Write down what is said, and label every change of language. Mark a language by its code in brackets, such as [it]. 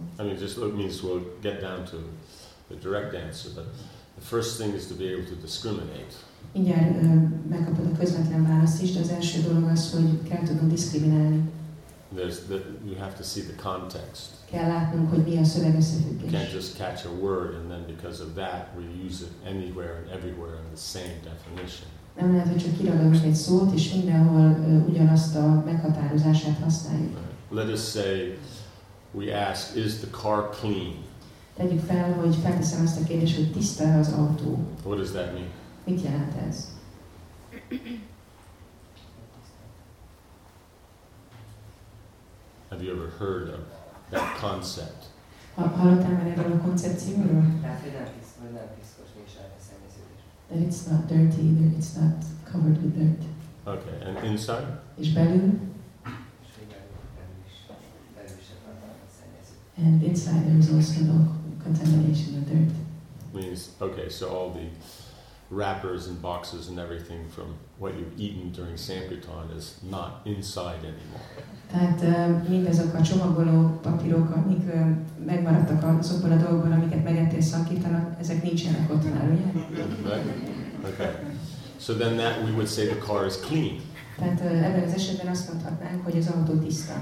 [en] I mean, just means we'll get down to the direct answer, but the first thing is to be able to discriminate. [hu] Mindjárt megkapod a közvetlen választ is, de az első dolog az, hogy kell tudnunk diszkriminálni. [en] You have to see the context. [hu] Kell látnunk, hogy mi a szöveg összefüggés. [en] You can't just catch a word and then because of that we use it anywhere and everywhere in the same definition. [hu] Nem lehet, hogy csak kiragadunk egy szót, és mindenhol ugyanazt a meghatározását használjuk. [en] Let us say, we ask, is the car clean? [hu] Tegyük fel, hogy felteszem azt a kérdést, hogy tiszta az autó. [en] What does that mean? [hu] Mit jelent ez? [en] Have you ever heard of that concept? [hu] Hallottál már erről a koncepcióról? Tehát, hogy nem piszkos, mi sem a szennyeződés. [en] That it's not dirty either, it's not covered with dirt. Okay, and inside? [hu] És belül? [en] And inside there is also no contamination or dirt. Means, okay, so all the wrappers and boxes and everything from what you've eaten during Sankirtan is not inside anymore. [hu] Tehát mindezek a csomagoló papírok, amik megmaradtak azokból a dolgokból, amiket megettél Sankirtanon, ezek nincsenek ott már, ugye? [en] Okay. So then that we would say the car is clean. [hu] Tehát ebben az esetben azt mondhatnánk, hogy az autó tiszta.